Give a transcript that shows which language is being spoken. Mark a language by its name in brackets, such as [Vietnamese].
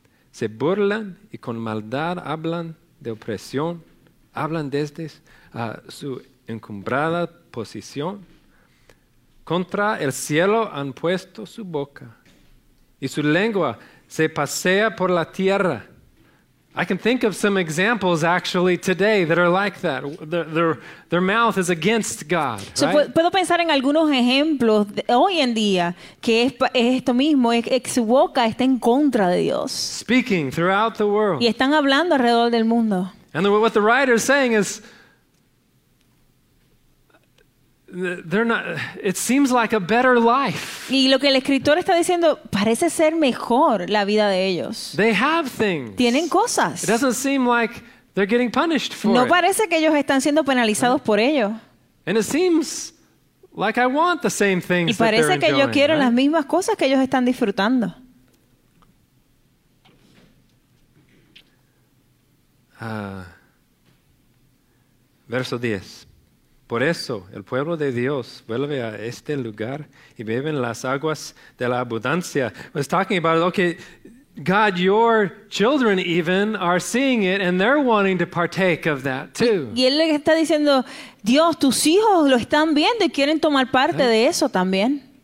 [Spanish] Se burlan y con maldad hablan de opresión. Hablan desde su encumbrada posición. Contra el cielo han puesto su boca y su lengua se pasea por la tierra. [English] I can think of some examples actually today that are like that. Their mouth is against God. So, right? [Spanish] Puedo pensar en algunos ejemplos hoy en día que es esto mismo, es su boca está en contra de Dios. [English] Speaking throughout the world. [Spanish] Y están hablando alrededor del mundo. [English] And what the writer is saying is, they're not, it seems like a better life. [Spanish] Y lo que el escritor está diciendo parece ser mejor la vida de ellos. [English] They have things. [Spanish] Tienen cosas. [English] It doesn't seem like they're getting punished for it. [Spanish] No parece que ellos están siendo penalizados por ello. [English] And it seems like I want the same things. [Spanish] Y parece que yo quiero las mismas cosas que ellos están disfrutando. Verso 10. Por eso, el pueblo de Dios vuelve a este lugar y beben las aguas de la abundancia. [English] I was talking about, okay, God, your children even are seeing it and they're wanting to partake of that too. [Spanish] Y él le está diciendo, Dios, tus hijos lo están viendo y quieren tomar parte de eso también.